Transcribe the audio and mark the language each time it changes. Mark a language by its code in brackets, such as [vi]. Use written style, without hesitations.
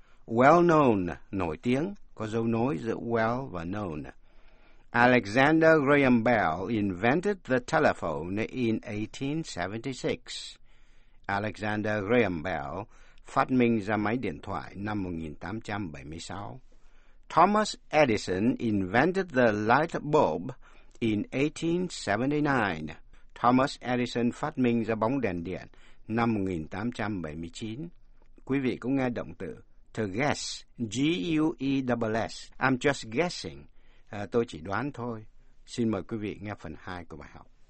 [vi] Well known, nổi tiếng, có dấu nối giữa well và known. [en] Alexander Graham Bell invented the telephone in 1876. [vi] Alexander Graham Bell phát minh ra máy điện thoại năm 1876. [en] Thomas Edison invented the light bulb in 1879. [vi] Thomas Edison phát minh ra bóng đèn điện năm 1879. Quý vị cũng nghe động từ to guess, G-U-E-S-S. [en] I'm just guessing. [vi] Tôi chỉ đoán thôi. Xin mời quý vị nghe phần 2 của bài học.